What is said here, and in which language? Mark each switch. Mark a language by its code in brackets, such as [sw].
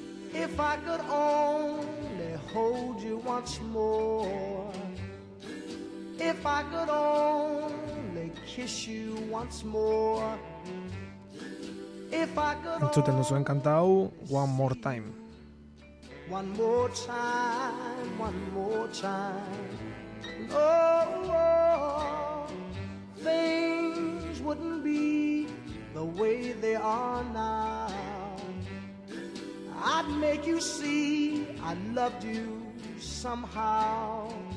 [en] If I could only hold you once more. If I could only kiss you once more. If I could. [eu] Entzuten duzuen kanta hau, One More Time. [en] One more time, one more time. Oh, oh, things wouldn't be the way they are now. I'd make you see I loved you somehow.